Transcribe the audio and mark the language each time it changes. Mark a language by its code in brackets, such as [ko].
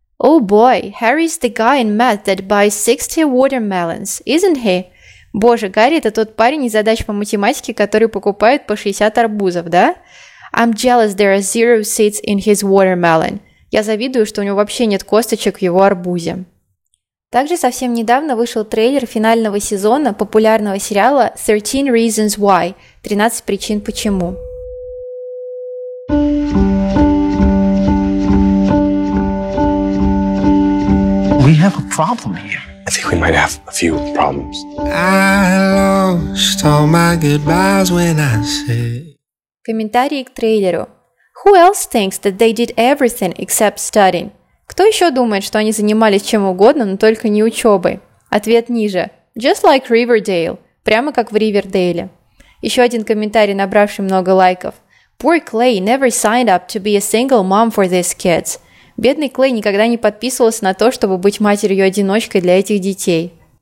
[en] Oh boy, Harry's the guy in math that buys 60 watermelons, isn't he? [ru] Боже, Гарри это тот парень из задач по математике, который покупает по 60 арбузов, да? [en] I'm jealous there are zero seeds in his watermelon. [ru] Я завидую, что у него вообще нет косточек в его арбузе. Также совсем недавно вышел трейлер финального сезона популярного сериала 13 Reasons Why, 13 причин почему. [en] We have a problem here. I think we might have a few problems. I lost all my goodbyes when I said... [ru] Комментарии к трейлеру. [en] Who else thinks that they did everything except studying? [ru] Кто еще думает, что они занимались чем угодно, но только не учебой? Ответ ниже. [en] Just like Riverdale. [ru] Прямо как в Ривердейле. Еще один комментарий, набравший много лайков. [en] Poor Clay never signed up to be a single mom for these kids. [ru] Бедный Клей никогда не подписывался на то, чтобы быть матерью-одиночкой для этих детей.